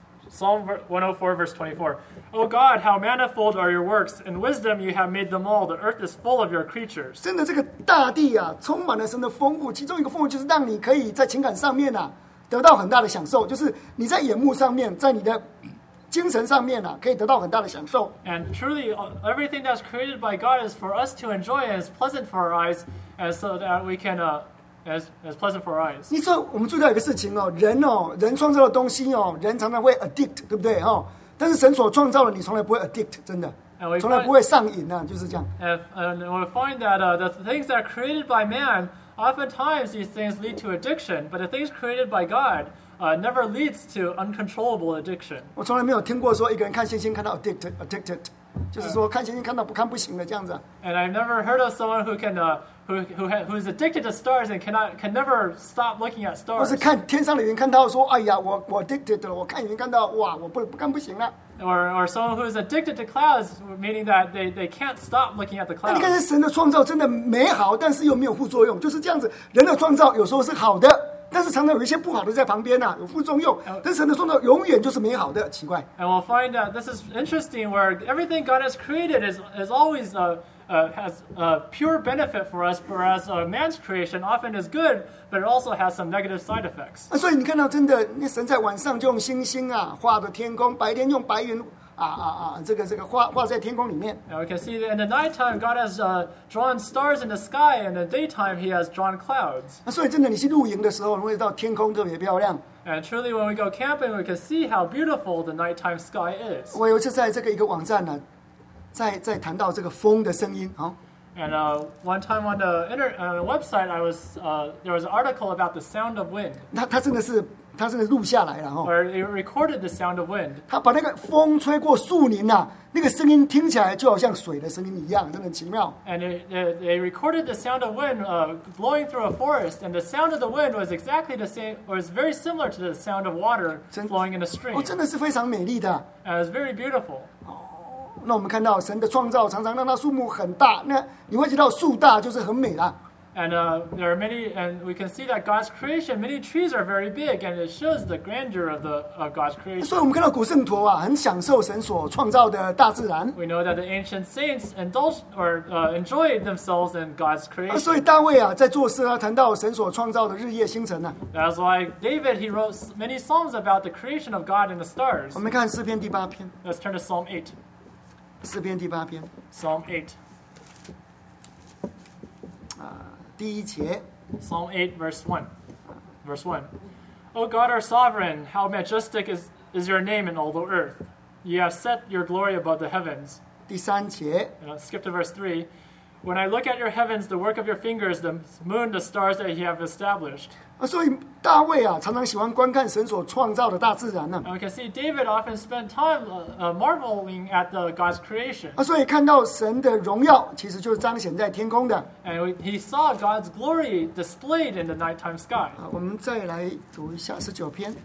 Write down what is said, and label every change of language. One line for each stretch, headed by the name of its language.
English: Psalm 104:24. O God, how manifold are your works! In wisdom you have made them all. The earth is full of your creatures.
Chinese: 真的，这个大地啊，充满了神的丰富。其中一个丰富就是让你可以在情感上面啊，得到很大的享受。就是你在眼目上面，在你的精神上面啊，可以得到很大的享受。
English: And truly, everything that's created by God is for us to enjoy, and is pleasant for our eyes, and so that we can as pleasant for our eyes.
Chinese: 你说我们注意到一个事情哦，人哦，人创造的东西哦，人常常会 addict， 对不对哈？但是神所创造的，你从来不会 addict， 真的，从来不会上瘾呐，就是这样。
English: And we find that the things that are created by man, oftentimes these things lead to addiction, but the things created by God, never leads to uncontrollable addiction.
Chinese: 我从来没有听过说一个人看星星看到 addicted， 就是说看星星看到不看不行的这样子。
English: And I've never heard of someone who can who is addicted to stars and can never stop looking at stars.
Chinese: 或是看天上的云看到说，哎呀，我 addicted 了，我看云看到，哇，我看不行了。
English: Or someone who is addicted to clouds, meaning that they can't stop looking at the clouds.
Chinese: 你看这神的创造真的美好，但是又没有副作用，就是这样子。人的创造有时候是好的，但是常常有一些不好的在旁边呐、啊，有副作用。但神的创造永远就是美好的，奇怪。
English: And we'll find that this is interesting, where everything God has created is always has a pure benefit for us, whereas man's creation often is good, but it also has some negative side effects.
Chinese: 所以你看到真的，那神在晚上就用星星啊画的天空，白天用白云啊啊啊，这个画在天空里面。
English: And we can see that in the nighttime, God has drawn stars in the sky, and in the daytime, He has drawn clouds.
Chinese: 所以真的，你去露营的时候，你会到天空特别漂亮。
English: And truly, when we go camping, we can see how beautiful the nighttime sky is.
Chinese: 我有一次在这个一个网站呢。在谈到这个风的声音、哦、
English: And one time on the website, I was there was an article about the sound of wind.
Chinese: 他真的录下来了哈、哦。
English: Where it recorded the sound of wind.
Chinese: 他把那个风吹过树林呐、啊，那个声音听起来就好像水的声音一样，真的奇妙。
English: And they recorded the sound of wind blowing through a forest, and the sound of the wind was exactly the same, or is very similar to the sound of water flowing in a stream.
Chinese: 真的是非常美丽的。
English: And it was very beautiful.
Chinese: 那我们看到神的创造常常让它树木很大，那你会知道树大就是很美啦。
English: And there are many, and we can see that God's creation, many trees are very big, and it shows the grandeur of the of God's creation.
Chinese: 所以我们看到古圣徒啊，很享受神所创造的大自然。
English: We know that the ancient saints indulged or enjoyed themselves in God's creation.
Chinese: 所以大卫啊，在作诗啊，谈到神所创造的日夜星辰呢、啊。
English: That's why David he wrote many songs about the creation of God and the stars.
Chinese: 我们看诗篇第八篇。
English: Let's turn to Psalm 8.
Chinese: 诗篇第八篇
English: Psalm 8、
Chinese: 第一节
English: Psalm 8 verse 1 O God our sovereign, how majestic is your name in all the earth. You have set your glory above the heavens.
Chinese: 第三节
English: Skip to verse 3 When I look at your heavens, the work of your fingers, the moon, the stars that you have established.
Chinese: 所以大卫啊，常常喜欢观看神所创造的大自然呢、啊。
English: And we can see David often spent time marveling at the God's creation.
Chinese: 所以看到神的荣耀，其实就是彰显在天空的。
English: And he saw God's glory displayed in the nighttime sky.
Chinese: 我们再来读一下十九篇。